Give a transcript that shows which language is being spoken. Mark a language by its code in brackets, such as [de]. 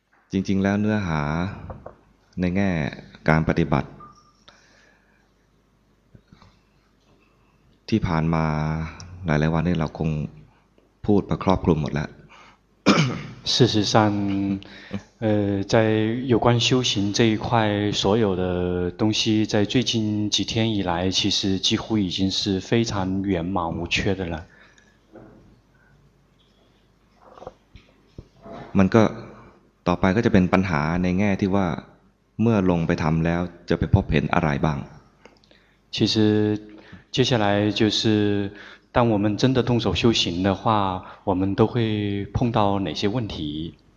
[th] จริงๆแล้วเนื้อหาในแง่การปฏิบัติที่ผ่านมาหลายๆวันนี้เราคงพูดไปครอบคลุมหมดแล้ว [zh] 事实上在有关修行这一块所有的东西在最近几天以来其实几乎已经是非常圆满无缺的了 [th] มันก็ต่อไปก็จะเป็นปัญหาในแง่ที่ว่าเมื่อลงไปทำแล้วจะไปพบเห็นอะไรบ้าง [zh] 其实接下来就是当我们真的动手修行的话我们都会碰到哪些问题